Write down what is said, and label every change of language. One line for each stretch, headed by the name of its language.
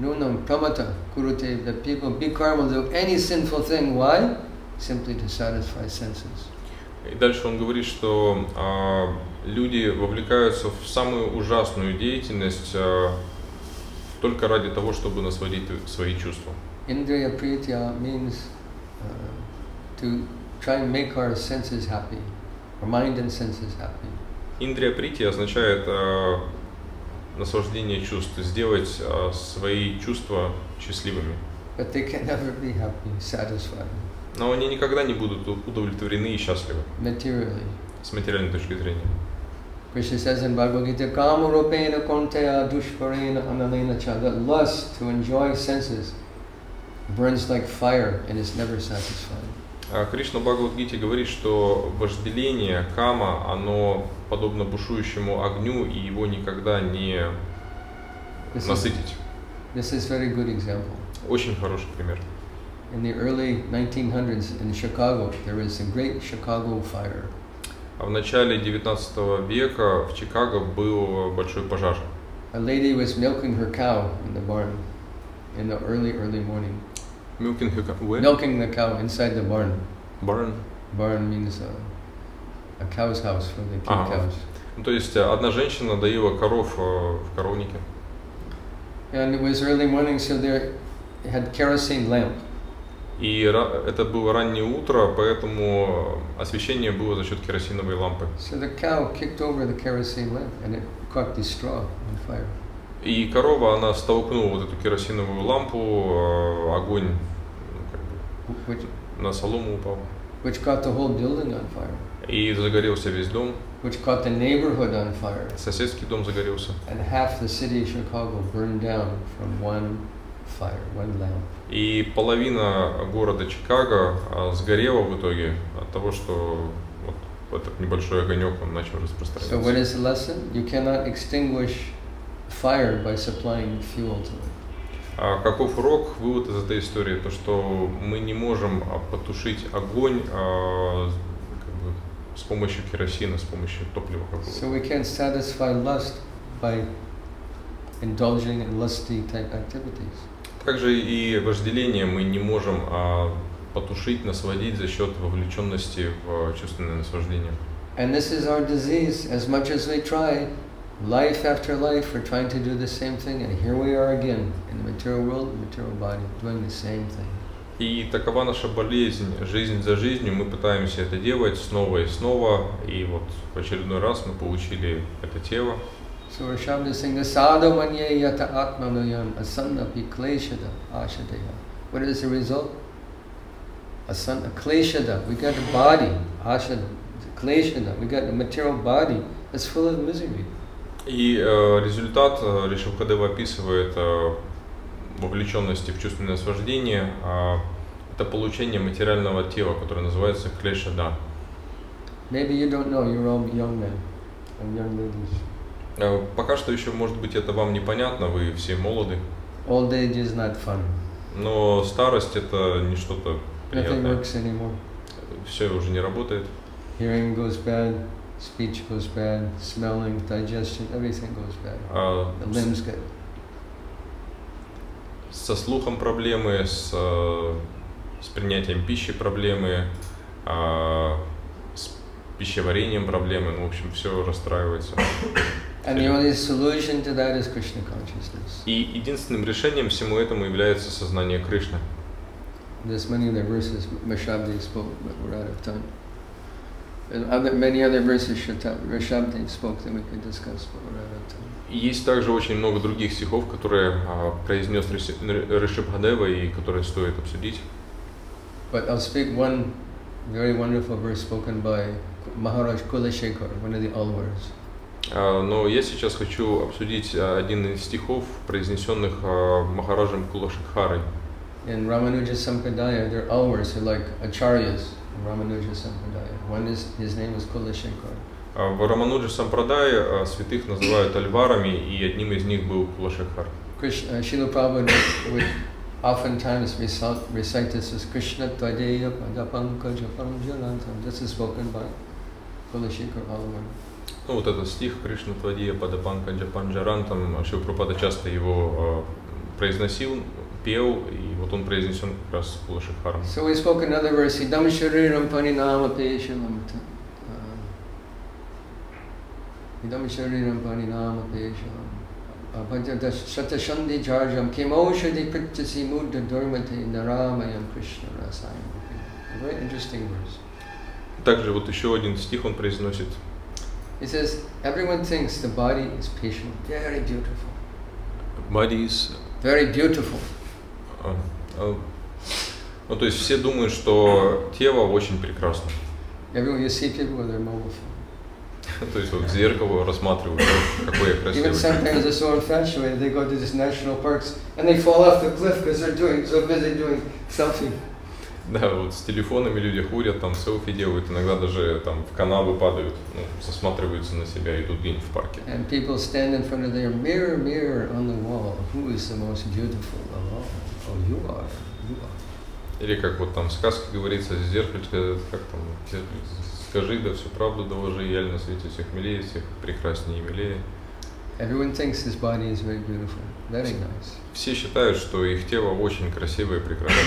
Sanskrit: Nunam pramata kurute,
English: that people vikarma do any sinful thing. Why? Simply to satisfy senses.
Russian: И дальше он говорит, что люди вовлекаются в самую ужасную деятельность только ради того, чтобы насладить свои чувства.
English: Indriya pritya means to try and make our senses happy, our mind and senses happy.
Russian: Indriya pritya означает наслаждение чувств, сделать свои чувства счастливыми.
English: But they can never be happy, satisfied.
Russian: Но они никогда не будут удовлетворены и счастливы.
English: Materially.
Russian: С материальной точки зрения.
English: Krishna says in Bhagavad Gita,
Sanskrit: Kama rupena kunteya dushparena ananena cha.
English: That lust to enjoy senses burns like fire and is never satisfied.
Russian: Кришна в Бхагавад Гите говорит, что вожделение, кама, оно подобно бушующему огню, и его никогда не насытить.
English: This is very good example.
Russian: Очень хороший пример.
English: In the early 1900s in Chicago, there was a great Chicago fire.
Russian: В начале 19 века в Чикаго был большой пожар.
English: A lady was milking her cow in the barn in the early morning. Milking her cow? Where? Milking the cow inside the barn. Barn? Barn means a cow's house where they keep cows.
Russian: Ну, то есть одна женщина доила коров в коровнике.
English: And it was early morning, so there had kerosene lamp.
Russian: И это было раннее утро, поэтому освещение было за счет керосиновой лампы.
English: So the cow kicked over the kerosene lamp and it caught the straw on fire.
Russian: И корова, она столкнула вот эту керосиновую лампу, огонь,
English: which,
Russian: на солому упал.
English: Which caught the whole building on fire.
Russian: И загорелся весь дом.
English: Which caught the neighborhood on fire.
Russian: Соседский дом загорелся.
English: And half the city of Chicago burned down from one fire, one lamp.
Russian: И половина города Чикаго сгорела в итоге от того, что вот этот небольшой огонек он начал распространяться.
English: So what is the lesson? You cannot extinguish fire by supplying fuel to it.
Russian: А каков урок, вывод из этой истории? То, что мы не можем потушить огонь как бы с помощью керосина, с помощью топлива какого-то.
English: So we can't satisfy lust by indulging in lusty type activities.
Russian: Также и вожделение мы не можем потушить, насладить за счет вовлеченности в чувственное наслаждение.
English: And this is our disease. As much as we try, life after life, we're trying to do the same thing, and here we are again in the material world, material body, doing the same thing.
Russian: И такова наша болезнь, жизнь за жизнью, мы пытаемся это делать снова и снова, и вот в очередной раз мы получили это тело.
English: So Rishabhadev is saying,
Sanskrit: Asada manye yata atmanoyam asannapi kleshada ashadeha.
English: What is the result? Asana kleshada, we got a body, ashad, kleshada, we got a material body that's full of misery.
Russian: И результат Ришабхадева описывает вовлеченности в чувственное наслаждение, это получение материального тела, которое называется клешада.
English: Maybe you don't know, you're all young men and young ladies.
Russian: Пока что еще, может быть, это вам непонятно, вы все молоды.
English: Old age is not fun.
Russian: Но старость – это не что-то приятное.
English: Nothing works anymore.
Russian: Все уже не работает.
English: Hearing goes bad, speech goes bad, smelling, digestion, everything goes bad. The limbs get...
Russian: Со слухом проблемы, с принятием пищи проблемы, с пищеварением проблемы. Ну, в общем, все расстраивается.
English: And the only solution to that is Krishna consciousness.
Russian: И единственным решением всему этому является сознание Кришны.
English: There's many other verses Mahārāja spoke, but we're out of time. Many other verses Rishabdi spoke that we could discuss.
Russian: Есть также очень много других стихов, которые произнес Ришабхадева и которые стоит обсудить.
English: But I'll speak one very wonderful verse spoken by Maharaj Kulashekar, one of the Alwars.
Russian: Но я сейчас хочу обсудить один из стихов, произнесенных Махараджем Кулашекхарой.
English: In Ramanuja Sampradaya, there are Alwars, who are like Acharyas in Ramanuja Sampradaya. One is, his name is Kulashekar.
Russian: В Рамануджа Сампрадае святых называют альварами, и одним из них был Кулашекхар.
English: Шрила Прабхупада would oftentimes recite this as
Sanskrit: Krishna Tadeya Padapankaja Paramjalantam.
English: This is spoken by Kulashekar Alwar.
Russian: Ну вот этот стих
Sanskrit: Кришна Твадия Падапанка Джапанджарантам,
Russian: Шрила Прабхупада часто его произносил, пел, и вот он произнесен как раз Кулашекхаром.
English: So we spoke another verse,
Sanskrit: Идам Шарирам Панинама Пешаламта. Идам Шарирам Панинама Пешаламта. Абхадьяда Шатасанди Джарджам Кимоушади Притчаси Мудда Дурмати Нарамаям Кришна Расайам.
English: A very interesting verse.
Russian: Также вот еще один стих он произносит.
English: He says, everyone thinks the body is patient, very beautiful. Body is very beautiful.
Russian: Ну, то есть все думают, что тело очень прекрасно.
English: Everyone, you see people with their mobile phone.
Russian: То есть вот в зеркало рассматривают, какой я красивый.
English: Even sometimes they're so infatuated, they go to these national parks and they fall off the cliff because they're doing so busy doing something.
Russian: Да, вот с телефонами люди ходят, там селфи делают, иногда даже там в канавы падают, ну, засматриваются на себя, идут где-нибудь в парке.
English: And people stand in front of their mirror, mirror on the wall. Who is the most beautiful of all? Oh, you are, you are.
Russian: Или как вот там в сказке говорится, зеркальце, как там, скажи, да всю правду доложи, яль на свете всех милее, всех прекраснее и милее.
English: Everyone thinks his body is very beautiful, very nice.
Russian: Все считают, что их тело очень красивое и прекрасное.